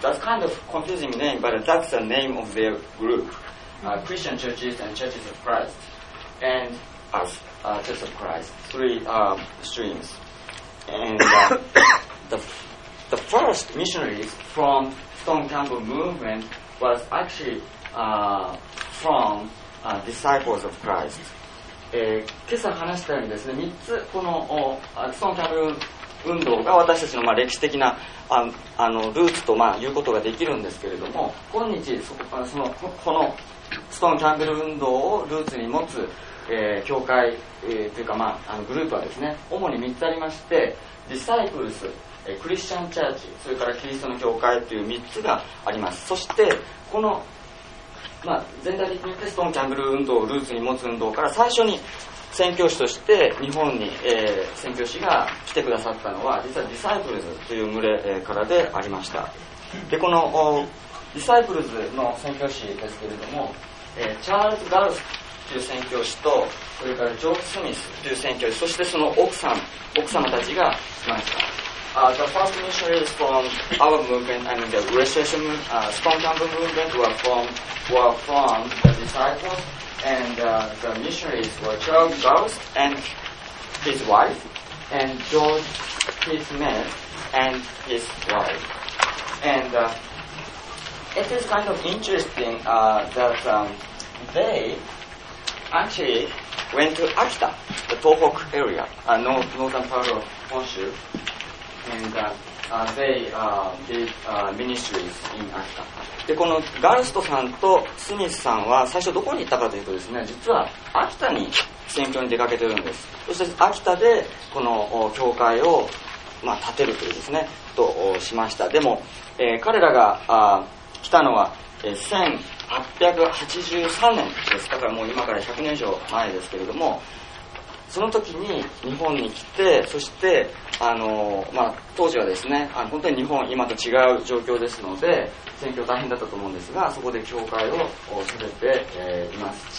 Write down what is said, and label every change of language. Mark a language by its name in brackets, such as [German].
[English] That's kind of confusing name, but that's the name of their group, Christian Churches and Churches of Christ, and us, Church of Christ, three streams. And the first missionaries from Stone Campbell movement was actually from Disciples of Christ. [Japanese] 今朝話したようにですね、3つこのStone Campbell運動が私たちの、まあ、歴史的なルーツと、まあ、言うことができるんですけれども、今日このStone Campbell運動をルーツに持つ、教会、というか、まあ、グループはですね、主に3つありまして、Disciples、クリスチャンチャーチ、それからキリストの教会という3つがあります。そしてこの、まあ、全体的に言ってストーン・キャンベル運動をルーツに持つ運動から最初に宣教師として日本に、宣教師が来てくださったのは実はディサイプルズという群れからでありました。でこのディサイプルズの宣教師ですけれども、チャールズ・ガルスという宣教師とそれからジョーク・スミスという宣教師、そしてその奥様たちが来ました。 [English] The first missionaries from our movement, I mean the Restoration, Stone Campbell movement, were from the disciples, and the missionaries were Charles Gauss and his wife, and George Smith and his wife, and it is kind of interesting that they actually went to Akita, the Tohoku area, northern part of Honshu, and they did ministries in Akita. [Japanese] で、このガルストさんとスミスさんは最初どこに行ったかというとですね、実は秋田に選挙に出かけてるんです。そして秋田でこの教会を、まあ、建てるというですね、としました。でも、彼らが来たのは、1883年です。だからもう今から100年以上前ですけれども、その時に日本に来て、そして、まあ、当時はですね、本当に日本今と違う状況ですので、選挙大変だったと思うんですが、そこで教会を建てて、います。